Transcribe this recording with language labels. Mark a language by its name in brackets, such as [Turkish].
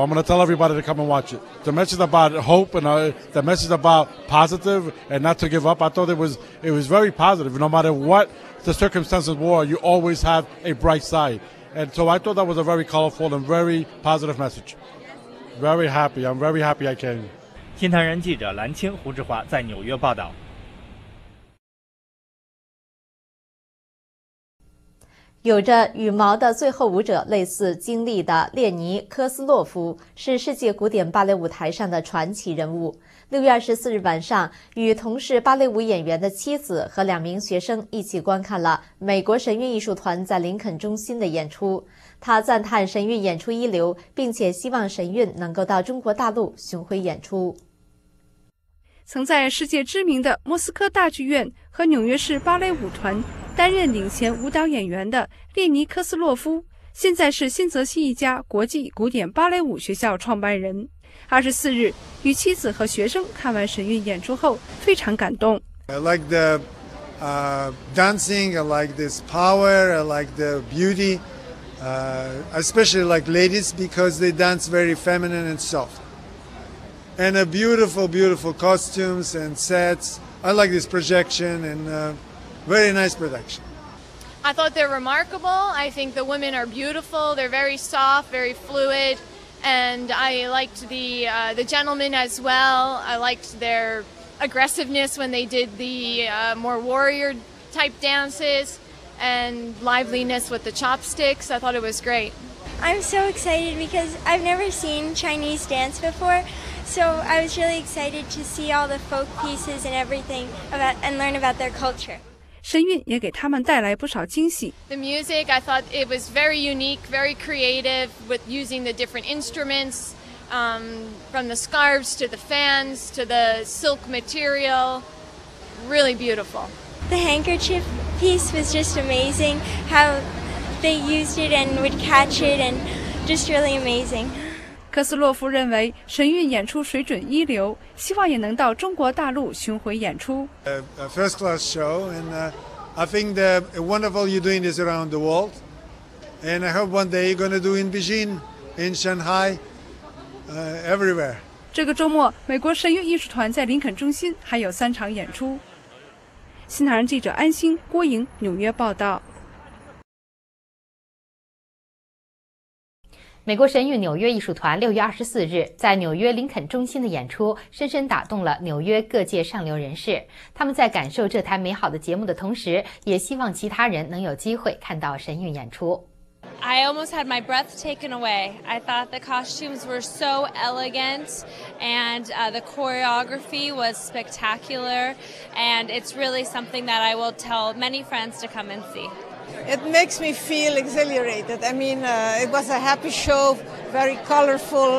[English] I'm going to tell everybody to come and watch it. The message about hope and the message about positive and not to give up, I thought it was very positive. No matter what the circumstances were, you always have a bright side. And so I thought that was a very colorful and very positive message. Very happy. I'm very happy I came. [Chinese] 天堂人记者蓝青、胡志华在纽约报道。有着羽毛的最后舞者类似经历的列尼·科斯洛夫是世界古典芭蕾舞台上的传奇人物。 6月24日晚上，与同是芭蕾舞演员的妻子和两名学生一起观看了美国神韵艺术团在林肯中心的演出。他赞叹神韵演出一流，并且希望神韵能够到中国大陆巡回演出。曾在世界知名的莫斯科大剧院和纽约市芭蕾舞团担任领衔舞蹈演员的列尼·科斯洛夫，现在是新泽西一家国际古典芭蕾舞学校创办人。 24日，与妻子和学生看完神韵演出后，非常感动。 [English] I like the dancing, I like this power, I like the beauty, especially like ladies because they dance very feminine and soft. And a beautiful, beautiful costumes and sets. I like this projection and very nice production. I thought they're remarkable. I think the women are beautiful. They're very soft, very fluid. And I liked the gentlemen as well. I liked their aggressiveness when they did the more warrior type dances and liveliness with the chopsticks. I thought it was great. I'm so excited because I've never seen Chinese dance before. So I was really excited to see all the folk pieces and everything about, and learn about their culture. [Chinese] 神韵也给他们带来不少惊喜。 [English] The music, I thought it was very unique, very creative with using the different instruments, from the scarves to the fans to the silk material. Really beautiful. The handkerchief piece was just amazing, how they used it and would catch it and just really amazing. [Chinese] 科斯洛夫认为神韵演出水准一流，希望也能到中国大陆巡回演出。 [English] A first class show, and I think the wonderful you're doing this around the world, and I hope one day you're going to do in Beijing, in Shanghai, everywhere. [Chinese] 这个周末，美国神韵艺术团在林肯中心还有三场演出。新唐人记者安心、郭莹，纽约报道。美国神韵纽约艺术团6月24日在纽约林肯中心的演出深深打动了纽约各界上流人士，他们在感受这台美好的节目的同时，也希望其他人能有机会看到神韵演出。 [English] I almost had my breath taken away. I thought the costumes were so elegant and the choreography was spectacular and it's really something that I will tell many friends to come and see. It makes me feel exhilarated. I mean, it was a happy show, very colorful.